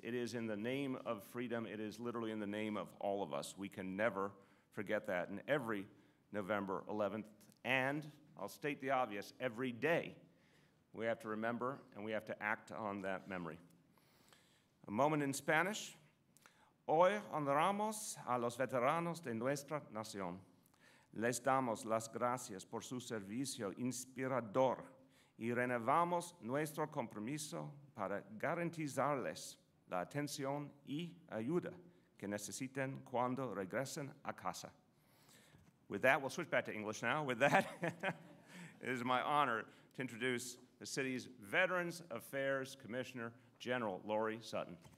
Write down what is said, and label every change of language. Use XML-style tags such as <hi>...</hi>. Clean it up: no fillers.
<en>It is in the name of freedom. It is literally in the name of all of us. We can never forget that. And every November 11th, and I'll state the obvious, every day we have to remember and we have to act on that memory. A moment in Spanish.</en> <es>Hoy honramos a los veteranos de nuestra nación. Les damos las gracias por su servicio inspirador y renovamos nuestro compromiso para garantizarles la atención y ayuda que necesiten cuando regresen a casa.</es> <en>With that, we'll switch back to English now. With that, it is my honor to introduce the city's Veterans Affairs Commissioner, General Lori Sutton.</en>